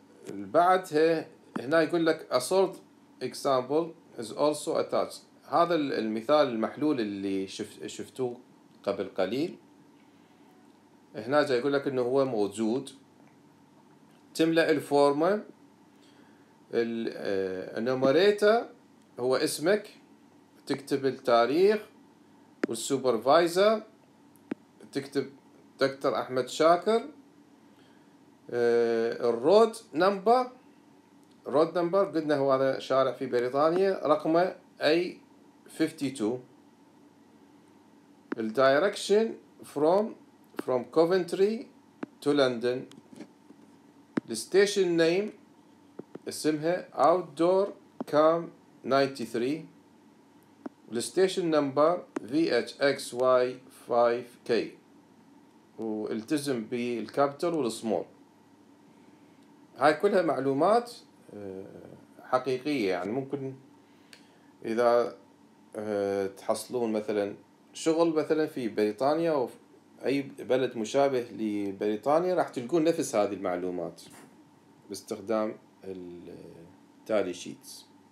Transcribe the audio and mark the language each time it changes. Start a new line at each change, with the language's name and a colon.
Arabic: بعدها هنا يقول لك
English: a sort example is also attached.
Arabic: هذا المثال المحلول اللي شفتوه قبل قليل هنا جاي يقول لك انه هو موجود. تملأ الفورمة، النوميريتر هو اسمك، تكتب التاريخ، والسوبرفايزر تكتب دكتور احمد شاكر، الرود نمبر رود نمبر قلنا هو هذا شارع في بريطانيا رقمه A52.
English: الدايركشن from Coventry to London.
Arabic: الستيشن نيم اسمها Outdoor Cam 93. الستيشن نمبر VHXY5K. والتزم بالكابيتال والسمول. هاي كلها معلومات حقيقية، يعني ممكن إذا تحصلون مثلا شغل مثلا في بريطانيا أو أي بلد مشابه لبريطانيا راح تلقون نفس هذه المعلومات باستخدام التالي شيتس.